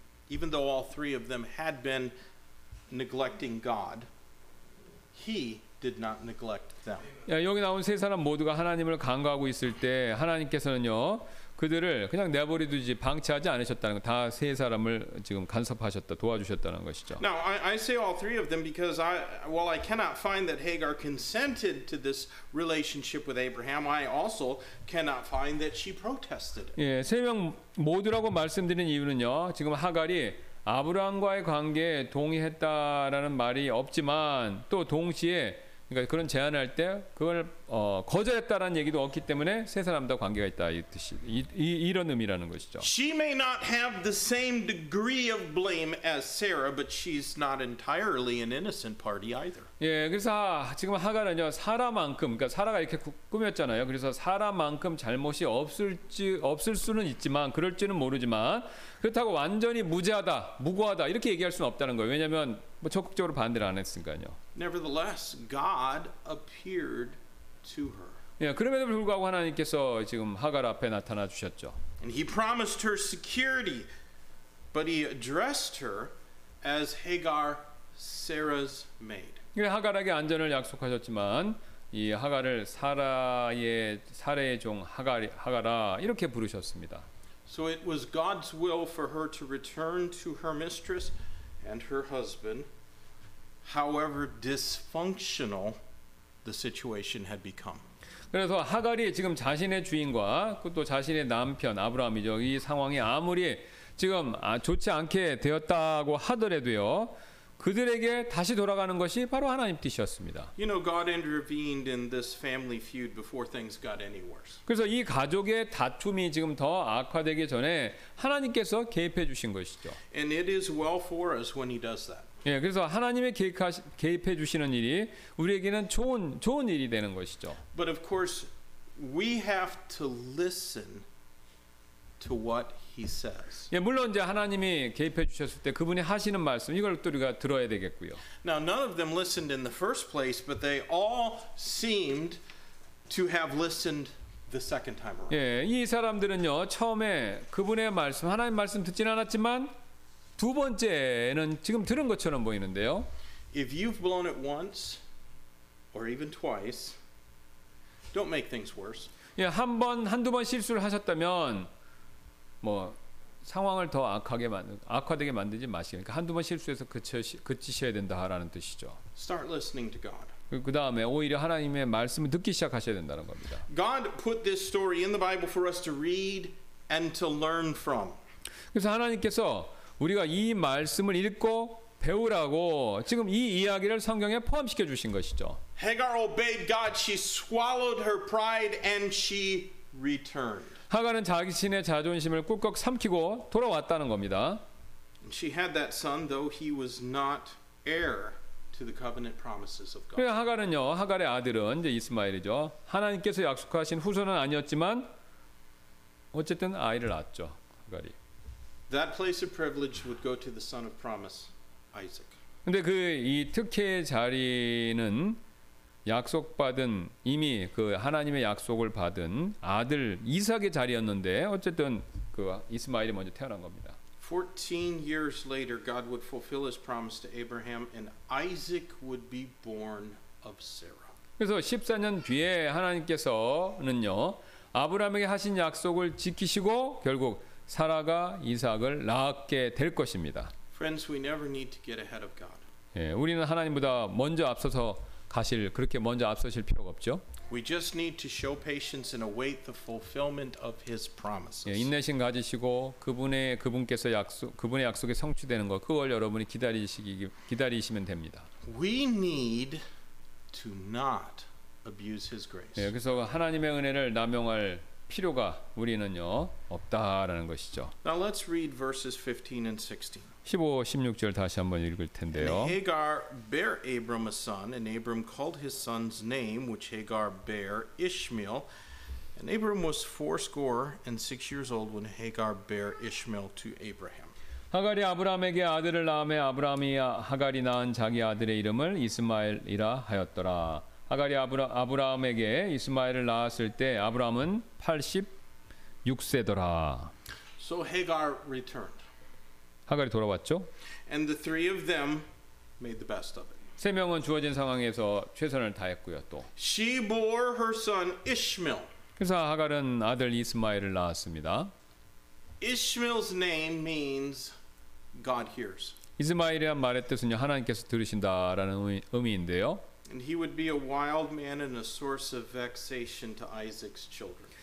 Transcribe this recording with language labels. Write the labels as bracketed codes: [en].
[en] Even though all three of them had been neglecting God, he did not neglect them. [ko] 야, 여기 나온 세 사람 모두가 하나님을 간과하고 있을 때 하나님께서는요 그들을 그냥 내버려 두지 방치하지 않으셨다는 것, 다 세 사람을 지금 간섭하셨다 도와주셨다는 것이죠. [en] Now I say all three of them because while I cannot find that Hagar consented to this relationship with Abraham, I also cannot find that she protested. [ko] 예, 세 명 모두라고 말씀드린 이유는요. 지금 하갈이 아브라함과의 관계에 동의했다라는 말이 없지만 또 동시에 그러니까 그런 제안할 때 그걸 거절했다라는 얘기도 없기 때문에 세 사람과 관계가 있다 이 뜻이 이런 의미라는 것이죠. [en] She may not have the same degree of blame as Sarah, but she's not entirely an innocent party either. [ko] 예, 그래서 지금 하가는요 사라만큼, 그러니까 사라가 이렇게 꾸몄잖아요. 그래서 사라만큼 잘못이 없을 수는 있지만 그럴지는 모르지만 그렇다고 완전히 무죄하다, 무고하다 이렇게 얘기할 수는 없다는 거예요. 왜냐하면 뭐 적극적으로 반대를 안 했으니까요. [en] Nevertheless, God appeared. To her. [ko] 예, 그럼에도 불구하고 하나님께서 지금 하갈 앞에 나타나 주셨죠. [en] And he promised her security, but he addressed her as Hagar, Sarah's maid. [ko] 예, 하갈에게 안전을 약속하셨지만 이 하갈을 사라의 종 하갈아 이렇게 부르셨습니다. [en] So it was God's will for her to return to her mistress and her husband, however dysfunctional. The situation had become. [ko] 그래서 하갈이 지금 자신의 주인과 또 자신의 남편 아브라함이죠. 이 상황이 아무리 지금 좋지 않게 되었다고 하더라도요, 그들에게 다시 돌아가는 것이 바로 하나님 뜻이었습니다. [en] You know, God intervened in this family feud before things got any worse. [ko] 그래서 이 가족의 다툼이 지금 더 악화되기 전에 하나님께서 개입해 주신 것이죠. [en] And it is well for us when He does that. [ko] 예, 그래서 하나님의 개입해 주시는 일이 우리에게는 좋은 일이 되는 것이죠. [en] But of course, we have to listen to what He says. [ko] 예, 물론 이제 하나님이 개입해 주셨을 때 그분이 하시는 말씀 이걸 또 우리가 들어야 되겠고요. [en] Now none of them listened in the first place, but they all seemed to have listened the second time around. [ko] 예, 이 사람들은요 처음에 그분의 말씀 하나님 말씀 듣지는 않았지만. 두 번째는 지금 들은 것처럼 보이는데요. [en] If you've blown it once or even twice, don't make things worse. [ko] 예, 한두 번 실수를 하셨다면 뭐 상황을 더 악화되게 만들지 마시기. 그러니까 한두 번 실수해서 그치셔야 된다라는 뜻이죠. [en] Start listening to God. [ko] 그다음에 오히려 하나님의 말씀을 듣기 시작하셔야 된다는 겁니다. [en] God put this story in the Bible for us to read and to learn from. [ko] 그래서 하나님께서 우리가 이 말씀을 읽고 배우라고 지금 이 이야기를 성경에 포함시켜 주신 것이죠. [en] Hagar obeyed God. She swallowed her pride and she returned. [ko] 하갈은 자신의 자존심을 꿀꺽 삼키고 돌아왔다는 겁니다. [en] She had that son, though he was not heir to the covenant promises of God. [ko] 하갈은요, 하갈의 아들은 이제 이스마엘이죠. 하나님께서 약속하신 후손은 아니었지만 어쨌든 아이를 낳았죠, 하갈이. [en] That place of privilege would go to the son of promise, Isaac. [ko] 근데 그 이 특혜 자리는 약속받은 이미 그 하나님의 약속을 받은 아들 이삭의 자리였는데 어쨌든 그 이스마엘이 먼저 태어난 겁니다. [en] 14 years later, God would fulfill His promise to Abraham, and Isaac would be born of Sarah. [ko] 그래서 14년 뒤에 하나님께서는요 아브라함에게 하신 약속을 지키시고 결국 사라가 이삭을 낳게 될 것입니다. [en] Friends, we never need to get ahead of God. [ko] 예, 우리는 하나님보다 먼저 앞서서 가실 그렇게 먼저 앞서실 필요가 없죠. [en] We just need to show patience and await the fulfillment of His promises. [ko] 예, 인내심 가지시고 그분의 약속이 성취되는 것 그걸 여러분이 기다리시면 됩니다. [en] We need to not abuse His grace. [ko] 예, 그래서 하나님의 은혜를 남용할 필요가 우리는요 없다라는 것이죠. [en] Now let's read verses 15 and 16. [ko] 15, 16절 다시 한번 읽을 텐데요. [en] And Hagar bare Abram a son, and Abram called his son's name, which Hagar bare, Ishmael. And Abram was 86 years old when Hagar bare Ishmael to Abraham. [ko] 하갈이 아브라함에게 아들을 낳음에 아브라함이 하갈이 낳은 자기 아들의 이름을 이스마엘이라 하였더라. 하갈이 아브라함에게 이스마엘을 낳았을 때 아브라함은 86세더라. [en] So Hagar returned. [ko] 하갈이 돌아왔죠. [en] And the three of them made the best of it. [ko] 세 명은 주어진 상황에서 최선을 다했고요. 또 [en] She bore her son Ishmael. [ko] 그래서 하갈은 아들 이스마엘을 낳았습니다. [en] Ishmael's name means God hears. [ko] 이스마엘이란 말의 뜻은요 하나님께서 들으신다라는 의미인데요. [en] And he would be a wild man and a source of vexation to Isaac's children.